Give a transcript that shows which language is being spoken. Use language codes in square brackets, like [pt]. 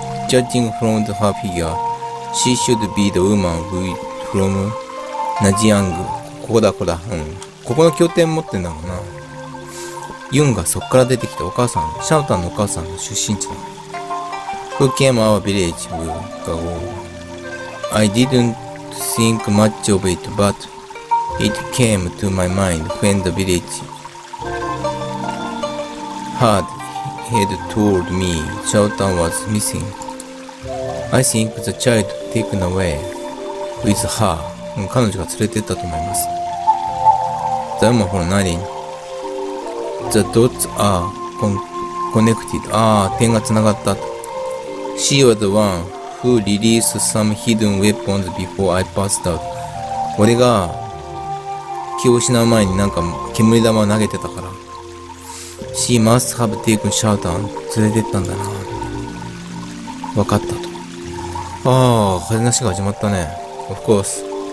[en] Judging from her figure, she should be the woman who from Najiang. [ja] ここだ、ここだ。うん。ここの経典持ってんだもんな。ユンがそっから出てきたお母さん、シャオタンのお母さんの出身地だ。 [en] Who came our village a week ago? I didn't think much of it, but it came to my mind when the village had told me Shao Tan was missing. I think the child taken away with her. [ja] 彼女が連れてったと思います。 [en] ザムホルナリン。The dots are connected. [ja] ああ、点が繋がった。 [en] She was the one who released some hidden weapons before I passed out. [ja] 俺が気を失う前になんか煙玉を投げてたから。 [en] She must have taken shelter. [ja] 連れてったんだな。わかったと。ああ、話が始まったね。 [en] Of course.